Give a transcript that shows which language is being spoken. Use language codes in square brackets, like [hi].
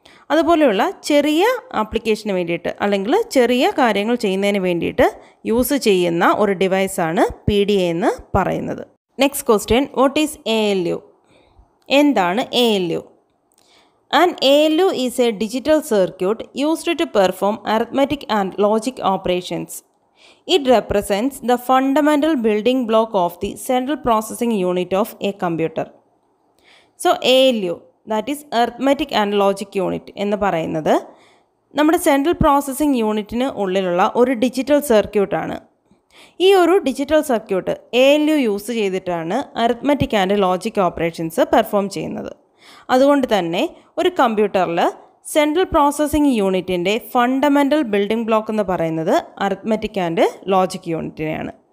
[ml] അതുപോലെയുള്ള ചെറിയ ആപ്ലിക്കേഷന് വേണ്ടിയിട്ട് അല്ലെങ്കിൽ ചെറിയ കാര്യങ്ങൾ ചെയ്യുന്നതിന് വേണ്ടിയിട്ട് യൂസ് ചെയ്യുന്ന ഒരു ഡിവൈസാണ് പി ഡി എ എന്ന് പറയുന്നത് [en] next question what is A L U [ml] എന്താണ് A L U [en] An ALU is a digital circuit used to perform arithmetic and logic operations. It represents the fundamental building block of the central processing unit of a computer. So ALU, that is arithmetic and logic unit, [ml] എന്നു പറയുന്നത് നമ്മുടെ central processing യൂണിറ്റിന് ഉള്ളിലുള്ള ഒരു digital സർക്യൂട്ടാണ് ഈ ഒരു digital circuit ALU use ചെയ്തിട്ടാണ് [en] arithmetic and logic operations [ml] perform ചെയ്യുന്നത് അതുകൊണ്ട് തന്നെ ഒരു കമ്പ്യൂട്ടറിൽ സെൻട്രൽ പ്രോസസ്സിംഗ് യൂണിറ്റിൻ്റെ ഫണ്ടമെൻ്റൽ ബിൽഡിംഗ് ബ്ലോക്ക് എന്ന് പറയുന്നത് അരിത്മെറ്റിക് ആൻഡ് ലോജിക് യൂണിറ്റിനെയാണ്